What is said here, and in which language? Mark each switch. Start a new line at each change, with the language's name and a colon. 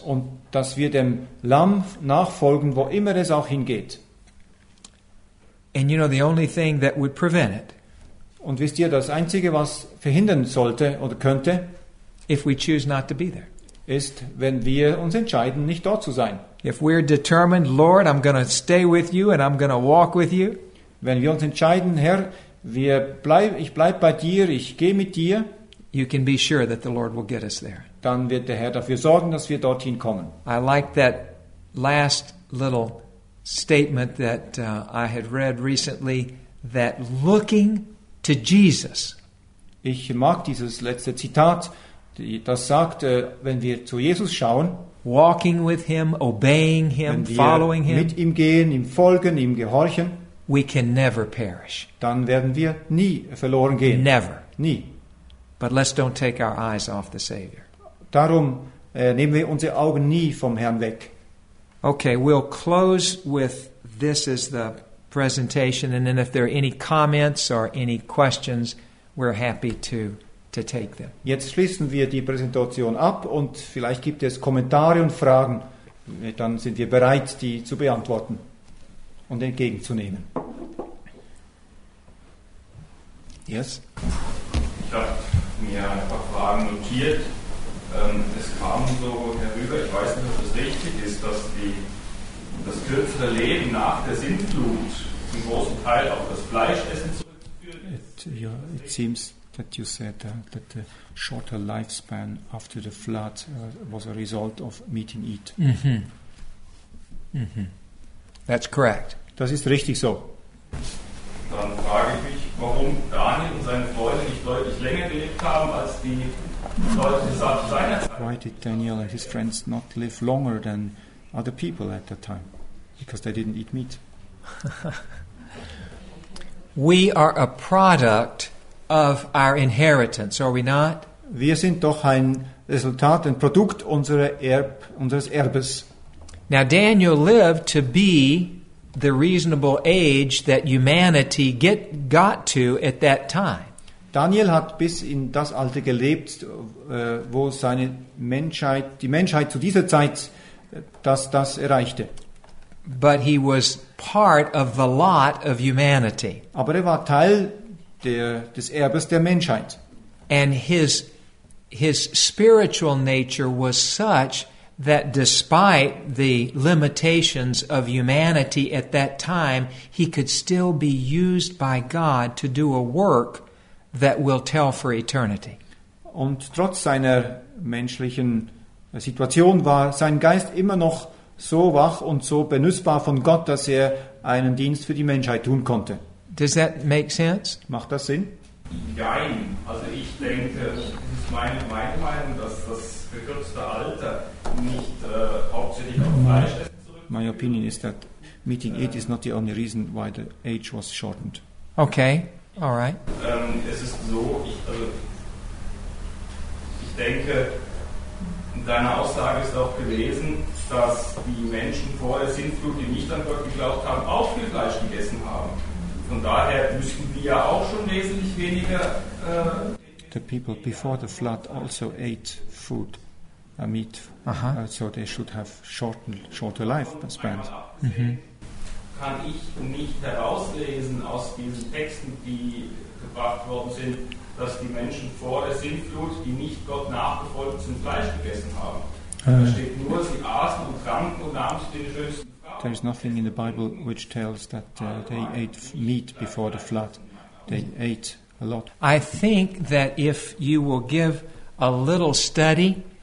German: Und dass wir dem Lamm nachfolgen, wo immer es auch hingeht.
English: And you know the only thing that would prevent it.
German: Und wisst ihr, das Einzige, was verhindern sollte oder könnte,
English: if we choose not to be there.
German: Ist, wenn wir uns entscheiden, nicht dort zu sein.
English: If we're determined, Lord, I'm going to stay with you and I'm going to walk with you.
German: Wenn wir uns entscheiden, Herr, ich bleib bei dir, ich gehe mit dir.
English: You can be sure that the Lord will get us there.
German: Dann wird der Herr dafür sorgen, dass wir dorthin kommen.
English: I like that last little statement that I had read recently, that looking to Jesus.
German: Ich mag dieses letzte Zitat, das sagt, wenn wir zu Jesus schauen,
English: walking with him, obeying him, following him.
German: Mit ihm gehen, ihm folgen, ihm gehorchen.
English: We can never perish.
German: Dann werden wir nie verloren gehen.
English: Never.
German: Nie.
English: But let's don't take our eyes off the Savior.
German: Darum nehmen wir unsere Augen nie vom Herrn weg.
English: Okay, we'll close with this as the presentation, and then if there are any comments or any questions, we're happy to take them.
German: Jetzt schließen wir die Präsentation ab und vielleicht gibt es Kommentare und Fragen, dann sind wir bereit, die zu beantworten und entgegenzunehmen.
English: Yes?
German: Ich habe mir ein paar Fragen notiert. Es kam so herüber, ich weiß nicht, ob das richtig ist, dass das kürzere Leben nach der Sintflut zum großen Teil auf das Fleischessen zurückzuführen ist.
English: It seems that you said that the shorter lifespan after the flood was a result of meat and eat. Mm-hmm. Mm-hmm. That's correct.
German: Das ist richtig so. Dann frage ich mich, warum Daniel und seine Freunde nicht deutlich länger gelebt haben als die Leute seiner Zeit.
English: Why did Daniel and his friends not live longer than other people at that time? Because they didn't eat meat. We are a product of our inheritance, are we not?
German: Wir sind doch ein Resultat, ein Produkt unseres Erbes.
English: Now Daniel lived to be the reasonable age that humanity got to at that time.
German: Daniel hat bis in das Alter gelebt, wo seine Menschheit, die Menschheit zu dieser Zeit, das erreichte.
English: But he was part of the lot of humanity.
German: Aber er war Teil des Erbes der Menschheit.
English: And his spiritual nature was such that despite the limitations of humanity at that time, he could still be used by God to do a work that will tell for eternity.
German: Und trotz seiner menschlichen Situation war sein Geist immer noch so wach und so benutzbar von Gott, dass er einen Dienst für die Menschheit tun konnte.
English: Does that make sense?
German: Macht das Sinn? Nein, also ich denke, es ist meine Meinung, dass das verkürzte Alter nicht hauptsächlich auf Fleisch zurückgeht.
English: My opinion is that meeting it is not the only reason why the age was shortened. Okay, all right.
German: Es ist so, ich denke, deine Aussage ist auch gewesen, dass die Menschen vor der Sintflut, die nicht an Gott geglaubt haben, auch viel Fleisch gegessen haben. Von daher müssen wir ja auch schon wesentlich weniger.
English: The people before the flood also ate food, meat. Uh-huh. So they should have shorter life spans.
German: Kann ich nicht herauslesen aus diesen Texten, die gebracht worden sind, dass die Menschen vor der Sintflut, die nicht Gott nachgefolgt sind, Fleisch gegessen haben? Da steht nur, sie aßen und tranken und nahmen sich den schönsten.
English: There is nothing in the Bible which tells that they ate meat before the flood. They ate a lot. I think that if you will give a little study,